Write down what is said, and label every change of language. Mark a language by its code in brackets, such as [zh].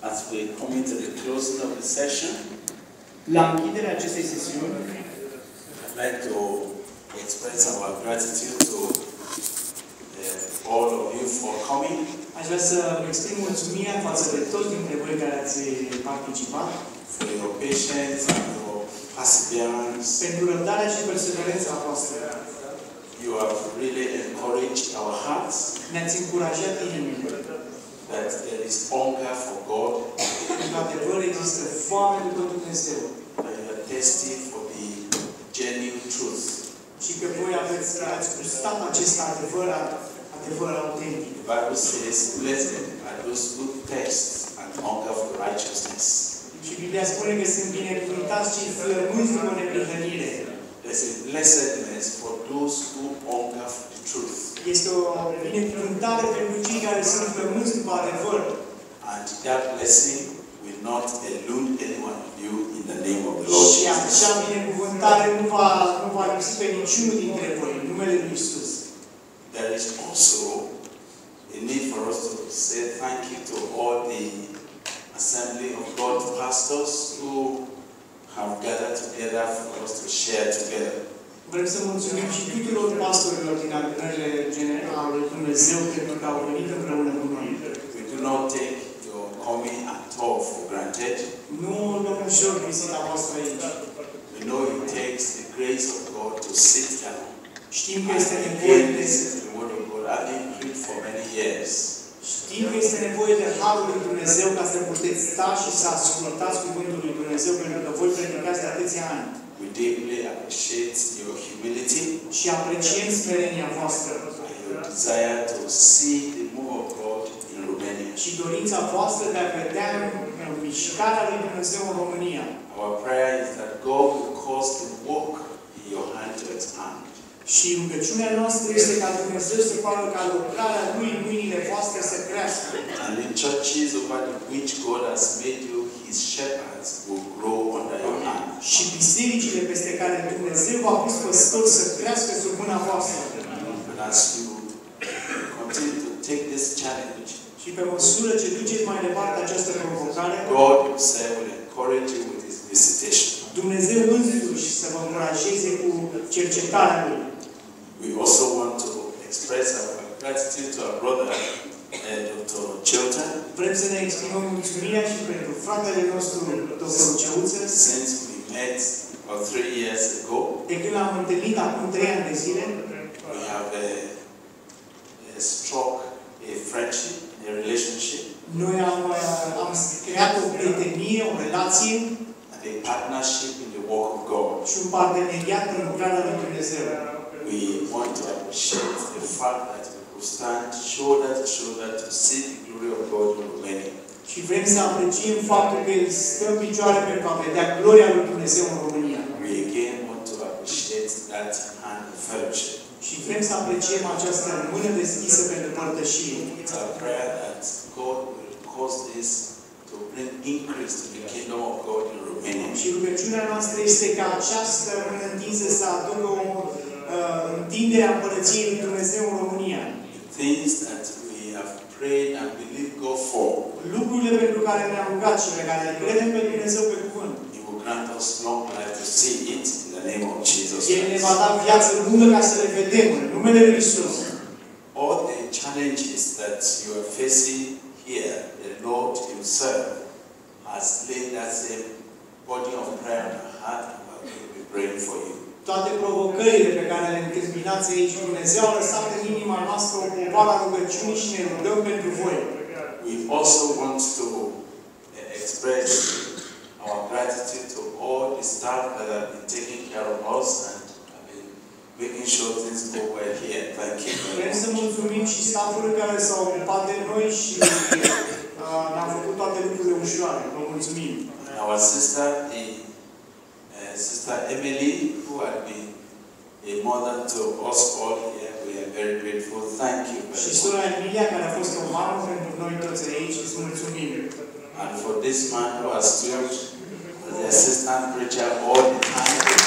[en] we come into the closing of the session. [ro] La închiderea acestei sesiuni, [en] I'd like to express our gratitude to all of you for coming. [ro] Aș vrea să exprim mulțumirea față de toți dintre voi care ați participat. [en] For your patience and your perseverance. [ro] Pentru răbdarea și perseverența voastră. [en] You have really encouraged our hearts. [ro] Ne-ați încurajat inimile. [en] That there is hunger for God. [ro] Într-adevăr, există foame de tot Dumnezeu. [en] That you are thirsty for the genuine truth. [ro] Și că voi aveți, ați gustat acest adevăr, adevăr autentic. [en] The Bible says, blessed are those who thirst and hunger for righteousness. [ro] Și Biblia spune că sunt binecuvântați cei flămânzi după neprihănire. [en] There's a blessedness for those who hunger for the truth. [ro] Este o binecuvântare pentru cei care sunt flămânzi după adevăr. [en] And that blessing will not elude anyone of you in the name of the Lord Jesus. [ro] Și acea binecuvântare nu va lipsi pe niciunul dintre voi, în numele lui Iisus. [en] There is also a need for us to say thank you to all the Assembly of God pastors who have gathered together for us to share together. [ro] Vrem să mulțumim și tuturor pastorilor din adunările generale ale Dumnezeu pentru că au venit împreună cu noi. [en] We do not take your coming at all for granted. [ro] Nu luăm ușor vizita voastră aici. [en] We know it takes the grace of God to sit down. [ro] Știm că este nevoie [en] de listen to the word of God. I've been preaching for many years. [ro] Știm că este nevoie de Harul lui Dumnezeu ca să puteți sta și să ascultați Cuvântul lui Dumnezeu pentru că voi predicați de atâția ani. [en] We deeply appreciate your humility. [ro] Și apreciem smerenia voastră. [en] And your desire to see the move of God in Romania. [ro] Și dorința voastră de a vedea mișcarea lui Dumnezeu în România. [en] Our prayer is that God will cause the work in your hand to expand. [ro] Și rugăciunea noastră este ca Dumnezeu să facă ca lucrarea Lui în mâinile voastre să crească. [en] And the churches over which God has made you His shepherds will grow under your hand. [ro] Și bisericile peste care Dumnezeu v-a pus păstori să crească sub mâna voastră. [en] And as you continue to take this challenge, [ro] și pe măsură ce duceți mai departe această provocare, [en] God Himself will encourage you with His visitation. [ro] Dumnezeu însuși să vă încurajeze cu cercetarea lui. [en] We also want to express our gratitude to our brother Dr. Chilton. [ro] Vrem să ne exprimăm mulțumirea și pentru fratele nostru Dr. Chilton. [en] Since we met about 3 years ago. [ro] De când l-am întâlnit acum 3 ani de zile. [en] We have a struck a friendship, a relationship. [ro] Noi am creat o prietenie, o relație. [en] A partnership in the work of God. [ro] Și un parteneriat în lucrarea lui Dumnezeu. [en] We want to appreciate the fact that we could stand shoulder to shoulder to see the glory of God in Romania. [ro] Și vrem să apreciem faptul că stăm picioare pentru a vedea gloria lui Dumnezeu în România. [en] We again want to appreciate that hand of fellowship. [ro] Și vrem să apreciem această mână deschisă pentru părtășie. [en] It's our prayer that God will cause this to bring increase to the kingdom of God in Romania. [ro] Și rugăciunea noastră este ca această mână întinsă să aducă o întindere a Împărăției lui Dumnezeu în România. [en] The things that we have prayed and believed God for. [ro] Lucrurile pentru care ne-am rugat și pe care credem pe Dumnezeu pe cuvânt. [en] He will grant us long life to see it in the name of Jesus [ro] Christ. El ne va da viață lungă ca să le vedem în numele lui Iisus. [en] All the challenges that you are facing here, the Lord Himself has laid that same body of prayer on our heart and we will be praying for you. [ro] Toate provocările pe care le întâmpinați aici, Dumnezeu a lăsat în inima noastră o povară rugăciunii și ne rugăm pentru voi. [en] We also want to express our gratitude to all the staff that have been taking care of us and have been making sure things go well here. Thank you. [ro] Vrem să mulțumim și stafurile care s-au ocupat de noi și ne-au făcut toate lucrurile ușoare. Vă mulțumim. [en] And our sister, Sister Emily, who had been a mother to us all here, we are very grateful. Thank you. [ro] Și sora Emilia care a fost o mamă pentru noi toți aici, îți mulțumim. [en] And for this man who has served as the assistant preacher all the time.